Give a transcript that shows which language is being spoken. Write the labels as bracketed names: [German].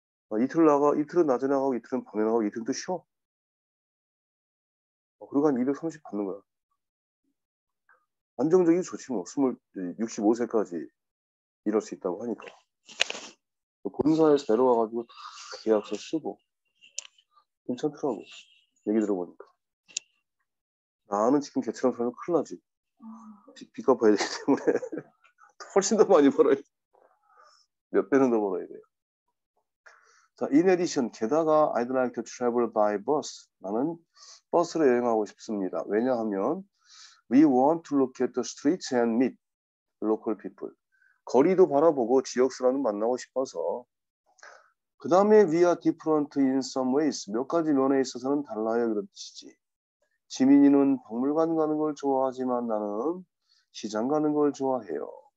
[Korean] 아, 이틀 나가 이틀은 낮에 나가고 이틀은 밤에 나가고 이틀은 또 쉬어 아, 그리고 한230 받는 거야 안정적이 좋지 뭐 65세까지 일할 수 있다고 하니까 본사에서 데려와가지고 다 계약서 쓰고 괜찮더라고 얘기 들어보니까 나는 지금 개처럼 살면 큰일 나지. 빚 갚아야 되기 때문에. 훨씬 더 많이 벌어야 돼. 몇 배는 더 벌어야 돼요. 자, [English] in addition, [Korean] 게다가 [English] I'd like to travel by bus. [Korean] 나는 버스로 여행하고 싶습니다. 왜냐하면 [English] we want to look at the streets and meet local people. [Korean] 거리도 바라보고 지역 사람을 만나고 싶어서. 그 다음에 [English] we are different in some ways. [Korean] 몇 가지 면에 있어서는 달라요. 그런 뜻이지. 지민이는 박물관 가는 걸 좋아하지만 나는 시장 가는 걸 좋아해요.